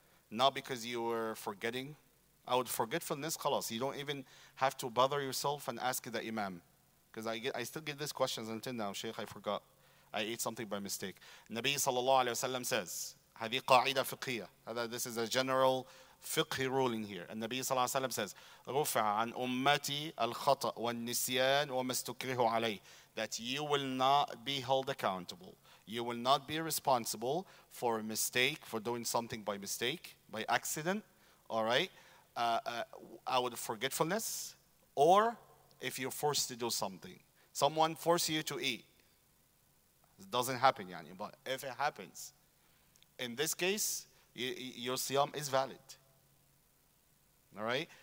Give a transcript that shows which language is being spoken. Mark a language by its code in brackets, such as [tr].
[en] Not because you were forgetting. Out of forgetfulness, خلاص. You don't even have to bother yourself and ask the imam. Because I still get these questions until now. Sheikh, I forgot. I ate something by mistake. Nabi sallallahu alayhi wa sallam says, [ar] هذه قاعدة فقهية. [en] This is a general fiqh ruling here. And Nabi sallallahu alayhi wa sallam says, [ar] رفع عن أمتي الخطأ والنسيان وما استكره عليه. [en] That you will not be held accountable. You will not be responsible for a mistake, for doing something by mistake, by accident. All right? Out of forgetfulness. Or if you're forced to do something. Someone forces you to eat. It doesn't happen, yani, but if it happens, in this case, your siyam is valid. All right?